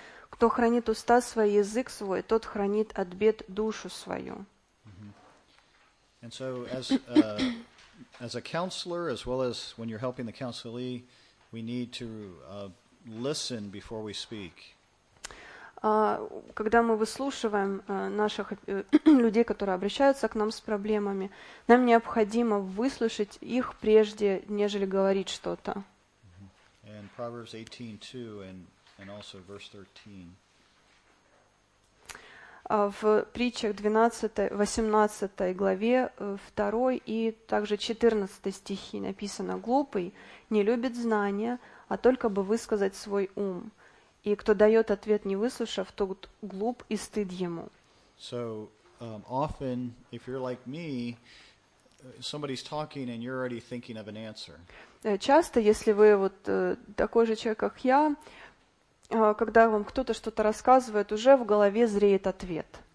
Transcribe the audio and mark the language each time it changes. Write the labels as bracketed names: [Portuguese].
[Russian] Кто хранит уста свои, язык свой, тот хранит от бед душу свою. [English] And so as a counselor, as well as when you're helping the counselee, we need to listen before we speak. [Russian] Когда мы выслушиваем наших людей, которые обращаются к нам с проблемами, нам необходимо выслушать их прежде, нежели говорить что-то. [English] And Proverbs 18:2 and also verse 13. [Russian] В притчах 18 главе 2 и также 14 стихи написано: «Глупый не любит знания, а только бы высказать свой ум. И кто дает ответ, не выслушав, тот глуп и стыд ему». [English] So, often, if you're like me, somebody's talking and you're already thinking of an answer. [Russian] Часто, если вы вот такой же человек, как я, когда вам кто-то что-то рассказывает, уже в голове зреет ответ.